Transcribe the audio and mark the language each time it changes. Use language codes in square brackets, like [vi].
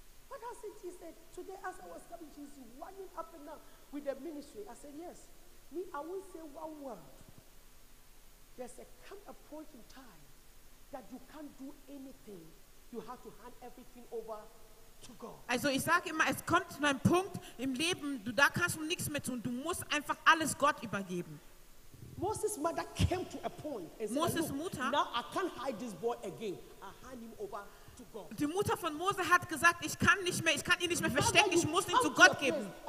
[en] What has it he said today as I was coming, he's running up and down with the ministry. I said, yes. Me, I will say one word. There's a come a point in time that you can't do anything. You have to hand everything over to God. [de] Also ich sage immer, es kommt zu einem Punkt im Leben, da kannst du nichts mehr tun. Du musst einfach alles Gott übergeben. [en] Moses' mother came to a point and said, [de] Moses' Mutter, [en] now I can't hide this boy again. I hand him over. [de] Die Mutter von Mose hat gesagt, ich kann ihn nicht mehr verstecken, ich muss ihn zu Gott geben.